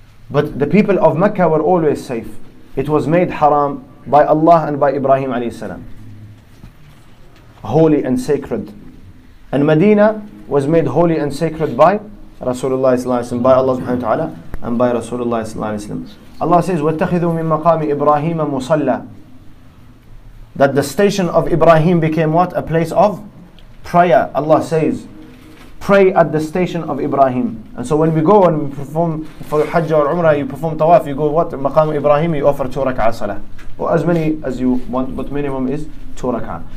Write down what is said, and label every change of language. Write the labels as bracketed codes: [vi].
[en] But the people of Mecca were always safe. It was made haram by Allah and by Ibrahim alayhi salam. Holy and sacred. And Medina was made holy and sacred by Rasulullah sallallahu alayhi wa sallam, by Allah subhanahu wa ta'ala, and by Rasulullah sallallahu alayhi wa sallam. Allah says, [ar] وَاتَّخِذُوا مِن مَقَامِ إِبْرَاهِيمَ مُصَلَّى. [en] That the station of Ibrahim became what? A place of prayer. Allah says, pray at the station of Ibrahim. And so when we go and we perform for Hajj or Umrah, you perform tawaf, you go what? Maqam Ibrahim, you offer two rak'ah salah. Or as many as you want, but minimum is two rak'ah.